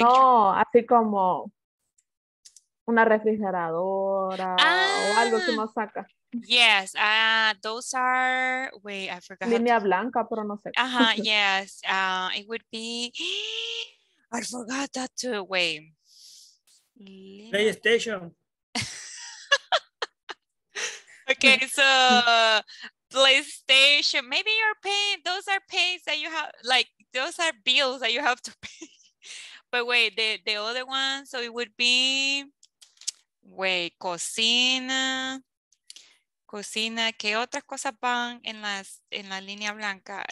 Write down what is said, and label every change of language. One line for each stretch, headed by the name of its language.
Spanish: No, así como una refrigeradora o algo que nos saca.
English: Yes, those are, wait, I forgot.
Spanish: Línea blanca, pero no sé.
English: Yes, it would be, I forgot that too, wait. PlayStation. Okay, so PlayStation, maybe you're paying, those are pays that you have, like, those are bills that you have to pay. But wait, the other one, so it would be, wait, cocina.
Spanish: Cocina, ¿qué otras cosas van en la línea blanca?